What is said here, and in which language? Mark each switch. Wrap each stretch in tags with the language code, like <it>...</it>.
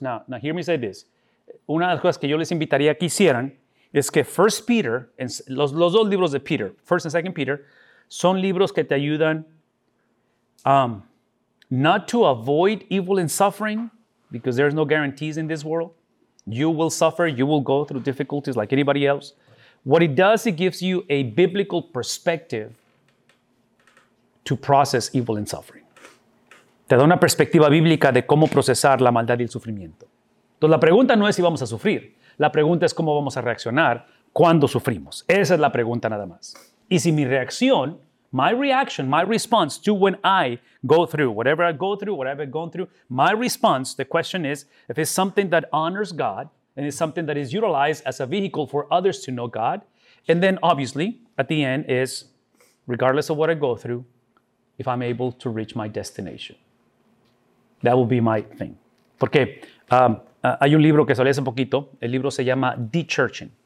<en>Now, hear me say this.</en> <es>Una de las cosas que yo les invitaría que hicieran es que 1 Peter, los dos libros de Peter,</es> <en>1 and 2 Peter,</en> <es>son libros que te ayudan</es> <en>not to avoid evil and suffering, because there's no guarantees in this world. You will suffer. You will go through difficulties like anybody else. What it does, it gives you a biblical perspective to process evil and suffering.</en> <es>Te da una perspectiva bíblica de cómo procesar la maldad y el sufrimiento. Entonces, la pregunta no es si vamos a sufrir. La pregunta es cómo vamos a reaccionar cuando sufrimos. Esa es la pregunta nada más. Y si mi reacción,</es> <en>my reaction, my response to when I go through, whatever I go through, whatever I've gone through, my response, the question is, if it's something that honors God and it's something that is utilized as a vehicle for others to know God, and then obviously at the end is, regardless of what I go through, if I'm able to reach my destination. That will be my thing.</en> <es>Porque hay un libro que salió hace poquito, el libro se llama De-Churching.</es>